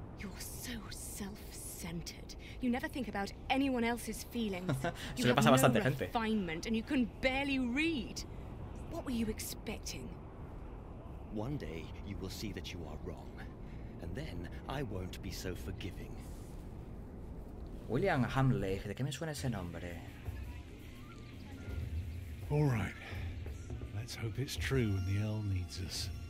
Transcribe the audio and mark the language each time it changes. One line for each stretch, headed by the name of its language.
English: You're so self-centered. You never think about anyone else's feelings.
Spanish: Eso le pasa a bastante gente.
English: Refinement and you can barely read. What were you expecting? One day you will see that you are wrong, and then I won't be so forgiving.
Spanish: William Hamley, ¿de qué me suena ese nombre?
English: All right. Let's hope it's true and the Earl needs us.